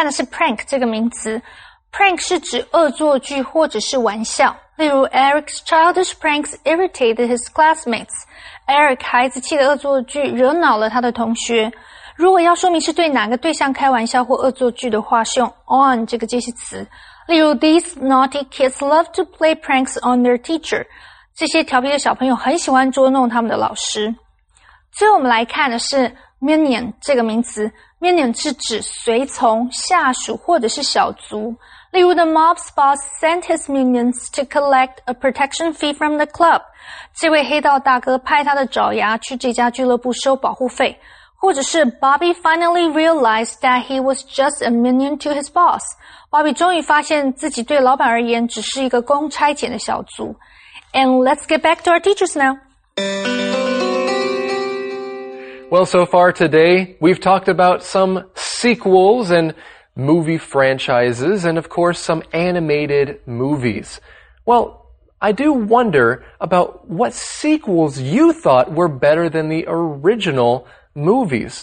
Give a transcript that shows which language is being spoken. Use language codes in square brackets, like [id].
[zh] Prank 这个名词 ，prank 是指恶作剧或者是玩笑。例如 [en] ，Eric's childish pranks irritated his classmates. [zh] Eric 孩子气的恶作剧惹恼了他的同学。如果要说明是对哪个对象开玩笑或恶作剧的话，是用 on 这个介系词。例如 [en] ，These naughty kids love to play pranks on their teacher. [zh] 这些调皮的小朋友很喜欢捉弄他们的老师。最后我们来看的是 minion 这个名词。 Minion 是指随从、下属或者是小卒。例如 [en] ,The mob's boss sent his minions to collect a protection fee from the club. [zh] 这位黑道大哥派他的爪牙去这家俱乐部收保护费。或者是 [en] Bobby finally realized that he was just a minion to his boss. [zh] Bobby 终于发现自己对老板而言只是一个公差遣的小卒。 [en] And let's get back to our teachers now. Well, so far today, we've talked about some sequels and movie franchises and, of course, some animated movies. Well, I do wonder about what sequels you thought were better than the original movies.